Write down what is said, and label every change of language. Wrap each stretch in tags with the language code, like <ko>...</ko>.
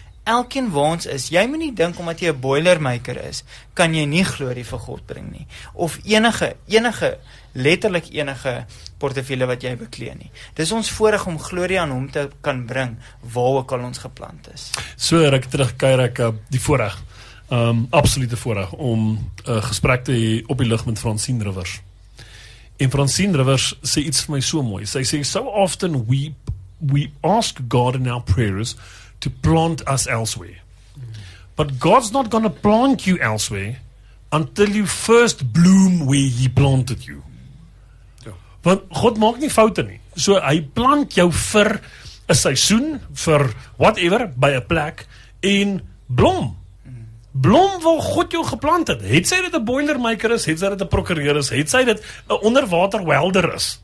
<af>Elkeen waar ons is, jy moet nie dink, omdat jy 'n boilermaker is, kan jy nie glorie vir God bring nie, of enige, letterlik enige portefeuille wat jy bekleed nie. Dis ons voorreg om glorie aan hom te kan bring, waar ook al ons geplant is. So, ek terugkeer ek die voorreg, absolute voorreg, om gesprek te hee op die lig met Francine Rivers. En Francine Rivers sê iets vir my so mooi, sy sê,</af> <en>so often we ask God in our prayers to plant us elsewhere. But God's not going to plant you elsewhere until you first bloom where he planted you.</en> <af>Ja. Want God maak nie foute nie. So hy plant jou vir 'n seisoen, vir whatever, by 'n plek, en blom. Blom waar God jou geplant het. Het sy dit 'n boilermaker is, het sy dit 'n prokureur is, het sy dit 'n onderwater welder is.</af>